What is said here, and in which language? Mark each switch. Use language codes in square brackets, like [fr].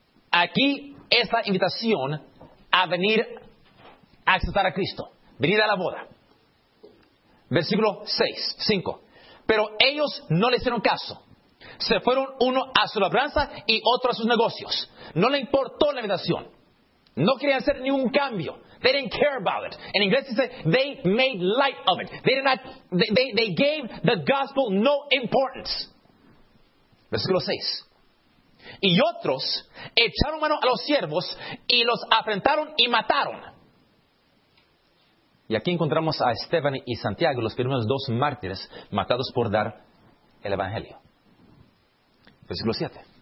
[es] Aquí es la invitación a venir a aceptar a Cristo. Venid a la boda. Versículo 5. Pero ellos no le hicieron caso. Se fueron uno a su labranza y otro a sus negocios. No le importó la invitación. No querían hacer ningún cambio. [en] They didn't care about it. [es] En inglés dice, [en] they made light of it. They gave the gospel no importance. [es] Versículo 6. Y otros echaron mano a los siervos y los afrentaron y mataron. Y aquí encontramos a Esteban y Santiago, los primeros dos mártires matados por dar el Evangelio. Versículo 7.